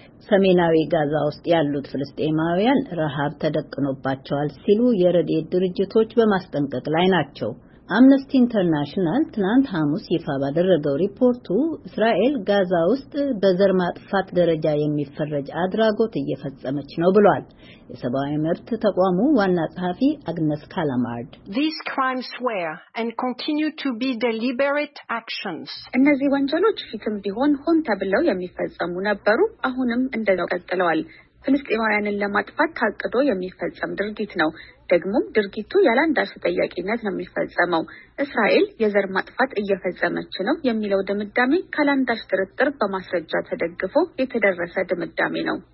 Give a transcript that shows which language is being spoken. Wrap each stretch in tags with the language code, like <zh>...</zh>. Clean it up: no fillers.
<am>ሰሜናዊ ጋዛ ውስጥ ያሉት ፍልስጤማውያን ረሃብ ተደቅኖባቸዋል ሲሉ የረድኤት ድርጅቶች በማስጠንቀቅ ላይ ናቸው። አምነስቲ ኢንተርናሽናል ትናንት ሐሙስ ይፋ ባደረገው ሪፖርቱ እስራኤል ጋዛ ውስጥ በዘር ማጥፋት ደረጃ የሚፈረጅ አድራጎት እየፈጸመች ነው ብሏል። የሰብአዊ መብት ተቋሙ ዋና ጸሐፊ አግነስ ካላማርድ</am> <en>These crimes were and continue to be deliberate actions.</en> <am>እነዚህ ወንጀሎች ፊትም ቢሆን ሆን ተብለው የሚፈጸሙ ነበሩ፣ አሁንም እንደዛው ቀጥለዋል። ፍልስጤማውያንን ለማጥፋት ታቅዶ የሚፈጸም ድርጊት ነው። ደግሞ ድርጊቱ ያላንዳች ጠያቂነት ነው የሚፈጸመው። እስራኤል የዘር ማጥፋት እየፈጸመች ነው የሚለው ድምዳሜ ካላንዳች ትርጥር በማስረጃ ተደግፎ የተደረሰ ድምዳሜ ነው።</am>